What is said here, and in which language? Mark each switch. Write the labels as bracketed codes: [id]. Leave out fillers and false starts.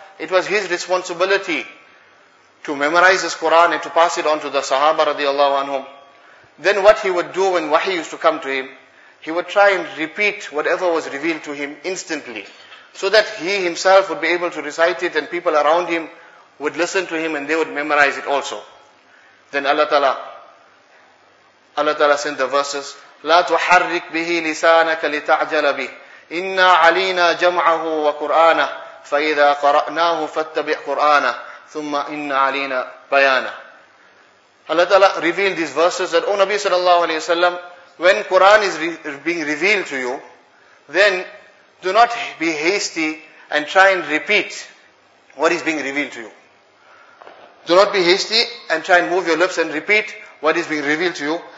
[en] It was his responsibility to memorize this Quran and to pass it on to the Sahaba radiallahu anhum. Then what he would do when wahi used to come to him, he would try and repeat whatever was revealed to him instantly, so that he himself would be able to recite it and people around him would listen to him and they would memorize it also. Then Allah Ta'ala sent the verses, [ar] لَا تُحَرِّكْ بِهِ لِسَانَكَ لِتَعْجَلَ بِهِ إِنَّا عَلِيْنَا جَمْعَهُ وَقُرْآنَهُ فَإِذَا قَرَأْنَاهُ فَاتَّبِعْ قُرْآنَهُ ثُمَّ إِنَّا عَلِيْنَا بَيَانَهُ. [en] Allah Ta'ala revealed these verses that, O Nabi Sallallahu Alaihi Wasallam, when Quran is being revealed to you, then do not be hasty and try and repeat what is being revealed to you. Do not be hasty and try and move your lips and repeat what is being revealed to you.